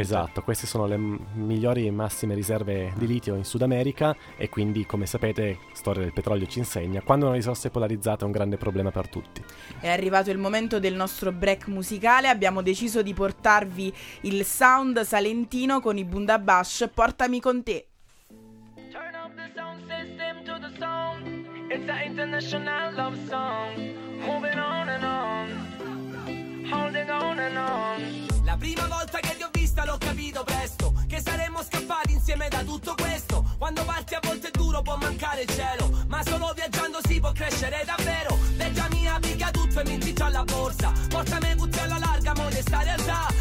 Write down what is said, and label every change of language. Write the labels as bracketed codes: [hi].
[it] Esatto, queste sono le migliori e massime riserve di litio in Sud America, e quindi, come sapete, storia del petrolio ci insegna, quando una risorsa è polarizzata è un grande problema per tutti. È arrivato il momento del nostro break musicale. Abbiamo deciso di portarvi il sound salentino con i Bundabash, Portami con te. [en] Turn up the sound system to the song. It's an international love song. Moving on and on. Holding on and on. [it] La prima volta che ti ho vista l'ho capito presto, che saremmo scappati insieme da tutto questo. Quando parti a volte è duro, può mancare il cielo, ma solo viaggiando si può crescere davvero. Leggia mia, piglia tutto e mi inciccia alla borsa. Portami tutti alla larga, modesta realtà.